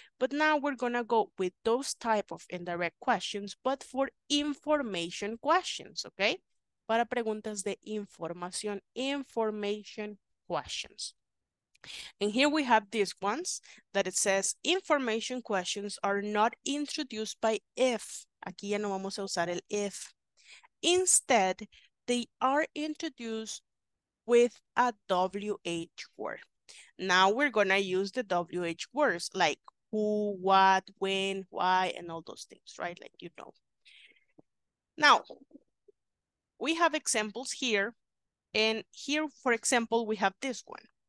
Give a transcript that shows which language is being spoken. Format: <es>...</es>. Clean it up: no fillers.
<en>But now we're gonna go with those type of indirect questions, but for information questions, okay?</en> <es>para preguntas de información,</es> <en>information questions. And here we have these ones that it says information questions are not introduced by if.</en> <es>Aquí ya no vamos a usar el if.</es> <en>Instead, they are introduced with a WH word. Now we're going to use the WH words like who, what, when, why, and all those things, right? Like you know. Now, we have examples here. And here, for example, we have this one.</en>